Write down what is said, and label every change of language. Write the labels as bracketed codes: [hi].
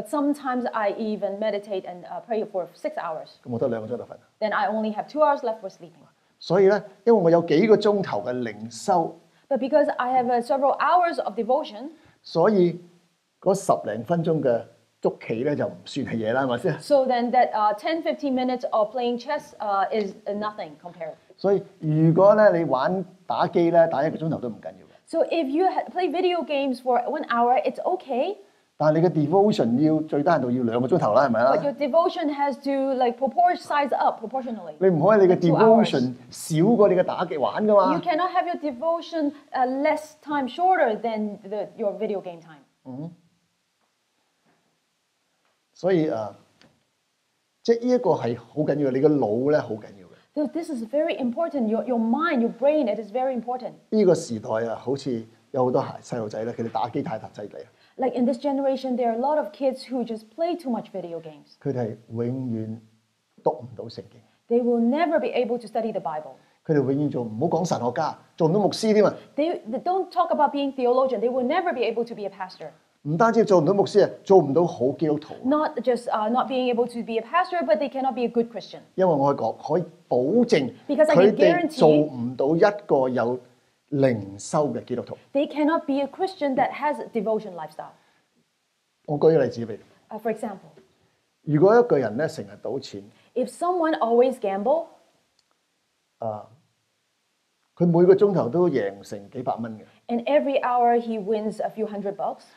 [en] But sometimes I even meditate and pray for 6 hours. [yue] 咁我得2個鐘頭瞓。 [en] Then I only have 2 hours left for sleeping. [yue] 所以咧，因為我有幾個鐘頭嘅靈修。 [en] But because I have several hours of devotion. [yue] 所以嗰十零分鐘嘅捉棋咧就唔算係嘢啦，係咪先 [en] ？So then that 10-15 minutes of playing chess is nothing compared. [yue] 所以如果你玩打機咧，打一個鐘頭都唔緊要嘅。 [en] So if you play video games for 1 hour, it's okay. [yue] 但你嘅 devotion 要最低限度要2個鐘頭啦，係咪啊 [en] ？But your devotion has to like size up proportionally. [yue] 你唔可以你嘅 devotion 少過你嘅打機玩噶嘛 [en] ？You cannot have your devotion less time shorter than your video game time. [yue] 所以即係依一個係好緊要，你嘅腦咧好緊要嘅。 [en] So this is very important. Your mind, your brain, it is very important. [yue] 依個時代啊，好似有好多孩細路仔咧，佢哋打機太犀利啊。 [en] Like in this generation, there are a lot of kids who just play too much video games. [yue] 佢哋永遠讀唔到聖經。 [en] They will never be able to study the Bible. [yue] 佢哋永遠做唔好講神學家，做唔到牧師添啊。 [en] They don't talk about being theologian. They will never be able to be a pastor. [yue] 唔單止做唔到牧師啊，做唔到好基督徒。 [en] Not just not being able to be a pastor, but they cannot be a good Christian. [yue] 因為我可以保證佢哋做唔到一個有靈修嘅基督徒。 [en] They cannot be a Christian that has a devotion lifestyle. [yue] 我舉個例子俾你。 [en] For example, [yue] 如果一個人咧成日賭錢 [en] ，If someone always gamble, [yue] 佢每個鐘頭都贏成幾百蚊嘅。 [en] And every hour he wins a few hundred bucks.